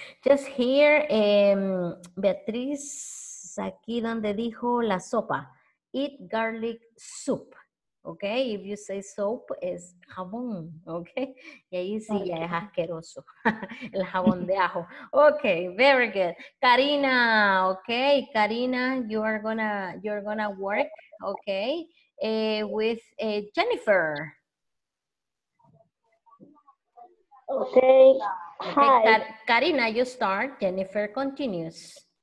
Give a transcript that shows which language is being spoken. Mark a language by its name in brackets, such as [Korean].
[English] Just here, Beatriz, [Spanish] aquí donde dijo la sopa, [English] eat garlic soup. Okay, if you say soap, it's jabón, okay? [Spanish] Y ahí sí, ya es asqueroso, el jabón de ajo. [English] Okay, very good. Karina, okay, Karina, you're gonna work, okay, with Jennifer. Okay, hi. Karina, you start, Jennifer continues.